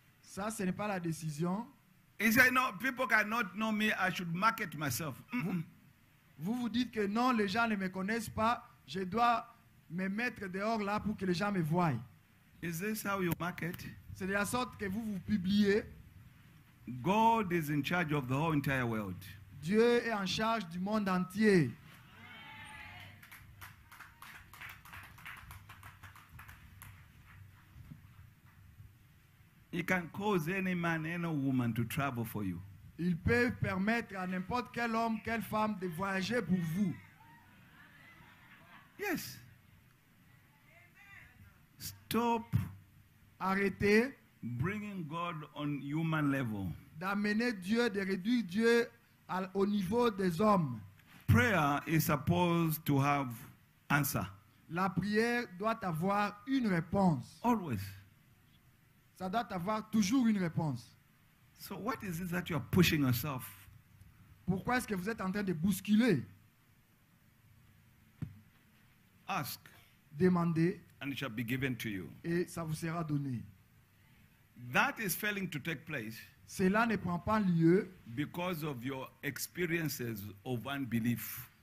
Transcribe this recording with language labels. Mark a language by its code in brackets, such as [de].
[fr] Ça, ce n'est pas la décision. [en] He said, no, people cannot know me. I should market myself. [fr] Vous vous dites que non, les gens ne me connaissent pas. Je dois me mettre dehors là pour que les gens me voient. [en] Is this how you market? [fr] C'est de la sorte que vous vous publiez. [en] God is in charge of the whole entire world. [fr] Dieu est en charge du monde entier. [en] He can cause any man, any woman to travel for you. [fr] Il peut permettre à n'importe quel homme, quelle femme de voyager pour vous. [en] Yes. Stop. [fr] Arrêtez. [en] Bringing God on human level. [fr] D'amener Dieu, de réduire Dieu au niveau des hommes. [en] Prayer is supposed to have answer. [fr] La prière doit avoir une réponse. [en] Always. [fr] Ça doit avoir toujours une réponse. [en] So what is it that you are pushing yourself? [fr] Pourquoi est-ce que vous êtes en train de bousculer? [en] Ask. [fr] Demandez. [en] And it shall be given to you. [fr] Et ça vous sera donné. [en] That is failing to take place. [fr] Cela ne prend pas lieu. [en] Because of your experiences of unbelief.